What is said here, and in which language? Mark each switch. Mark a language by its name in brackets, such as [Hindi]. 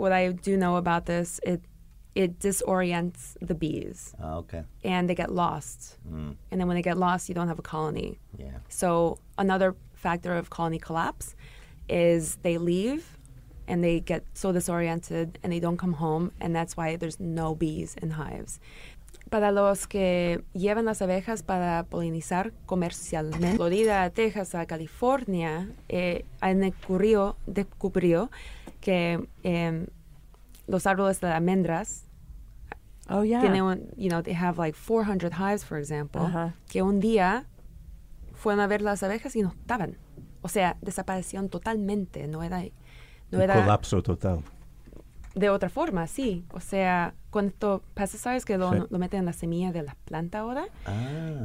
[English] What I do know about this, it disorients the bees. Okay. And they get lost. Mm. And then when they get lost, you don't have a colony. Yeah. So another factor of colony collapse is they leave and they get so disoriented and they don't come home. And that's why there's no bees in hives. [Spanish] Para los que llevan las abejas para polinizar comercialmente, Florida, Texas, California, han descubrió que los árboles de almendras. [English] Oh, yeah. They have like 400 hives, for example. Uh-huh. [Spanish] Que un día fueron a ver las abejas y no estaban. O sea, desaparecieron totalmente. No era. Colapso total. De otra forma, sí. O sea, con estos pesticides que lo meten en la semilla de la planta ahora. Ah.